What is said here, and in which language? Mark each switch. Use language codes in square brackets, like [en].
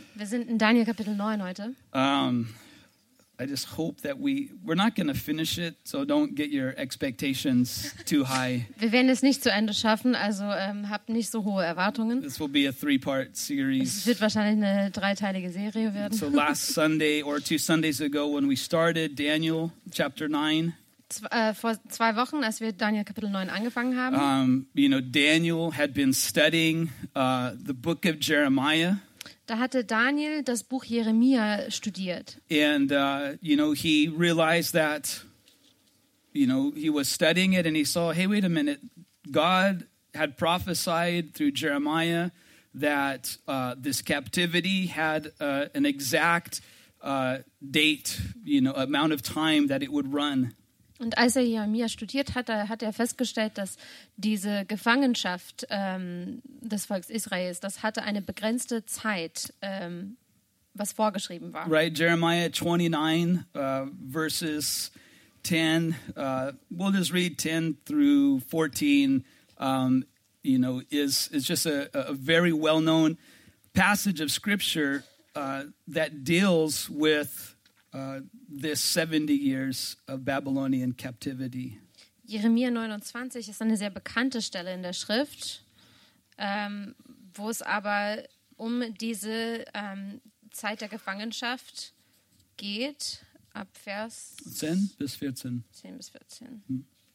[de] Wir sind in Daniel Kapitel 9 heute. [en] I just hope that we're not going to finish it, so don't get your expectations too high. [de] Wir werden es nicht zu Ende schaffen, also habt nicht so hohe Erwartungen. [en] This will be a three-part series. [de] Es wird wahrscheinlich eine dreiteilige Serie werden. [en] So last Sunday or two Sundays ago when we started Daniel chapter 9. [de] Vor zwei Wochen, als wir Daniel Kapitel 9 angefangen haben. [en] You know, Daniel had been studying the book of Jeremiah. [de] Da hatte Daniel das Buch Jeremia studiert. [en] And you know, he realized that, you know, he was studying it and he saw, hey, wait a minute, God had prophesied through Jeremiah that this captivity had an exact date, you know, amount of time that it would run. [de] Und als er Jeremia studiert hat, da hat er festgestellt, dass diese Gefangenschaft des Volks Israels, das hatte eine begrenzte Zeit, was vorgeschrieben war. [en] Right, Jeremiah 29, verses 10, we'll just read 10 through 14, you know, is just a very well-known passage of scripture that deals with this 70 years of Babylonian captivity. [de] Jeremia 29 ist eine sehr bekannte Stelle in der Schrift, wo es aber um diese Zeit der Gefangenschaft geht, ab Vers 10 bis 14. 10 bis 14.